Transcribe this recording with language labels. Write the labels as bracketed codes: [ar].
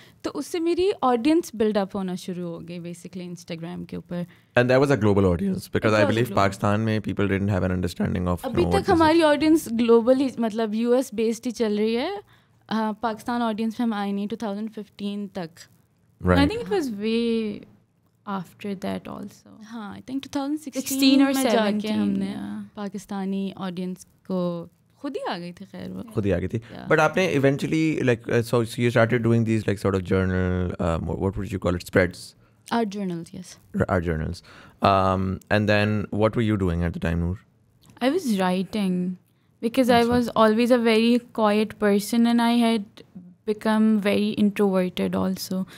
[hi] तो उससे मेरी ऑडियंस बिल्डअप होना शुरू हो गई बेसिकली इंस्टाग्राम के ऊपर. [en] And there was a global audience because I believe Pakistan में people didn't have an understanding of. [hi] अभी तक हमारी ऑडियंस ग्लोबल ही, मतलब US बेस्ड ही चल रही है. पाकिस्तान ऑडियंस में हम आई नहीं 2015 तक. [en] Right. I think it was way after that also. Haan, I think 2016 or 17. [hi] हमने Pakistani audience को खुद ही आ गई थी. खैर वो खुद ही आ गई थी. [en] But [hi] आपने [en] eventually so you started doing these like sort of journal, what would you call it, spreads? Art journals, yes. Art journals. And then what were you doing at the time, Noor? I was writing because I was always a very quiet person and I had become very introverted also.